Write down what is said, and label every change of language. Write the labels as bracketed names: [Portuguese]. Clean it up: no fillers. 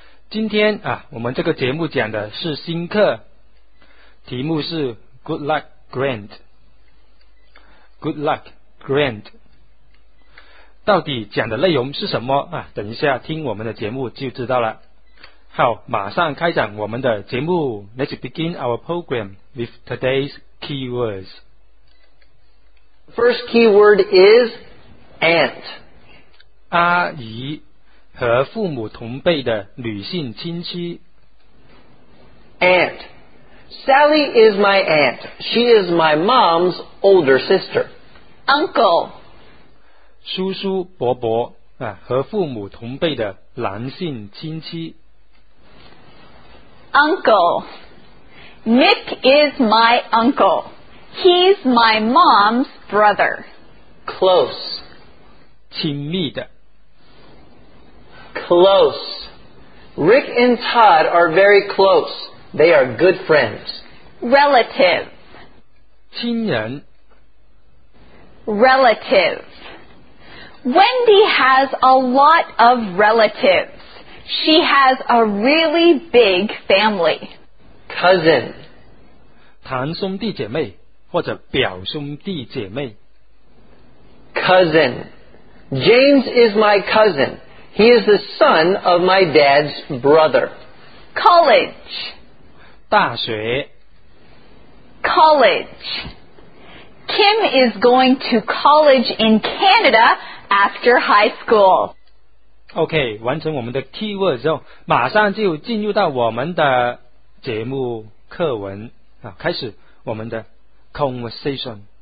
[Chinese] 今天啊，我们这个节目讲的是新课，题目是 Good Luck Grant。 Good Luck Grant 到底讲的内容是什么啊？等一下听我们的节目就知道了。好，马上开展我们的节目。 [English] Let's begin our program with today's keywords. First keyword is aunt. [Chinese] 阿姨，和父母同辈的女性亲戚。 [English] Aunt Sally is my aunt. She is my mom's older sister. Uncle [Chinese] 叔叔伯伯、啊、和父母同辈的男性亲戚。 [English] Uncle Nick is my uncle. He's my mom's brother. Close [Chinese] 亲密的。 [English] Close. Rick and Todd are very close. They are good friends. Relative. [Chinese] 亲人。 [English] Relative. Wendy has a lot of relatives. She has a really big family. Cousin. [Chinese] 堂兄弟姐妹或者表兄弟姐妹。 [English] Cousin. James is my cousin. He is the son of my dad's brother. College. [Chinese] 大学。 [English] College. Kim is going to college in Canada after high school. [Chinese] OK, 完成我们的 keyword 之后，马上就进入到我们的节目课文，开始我们的 conversation.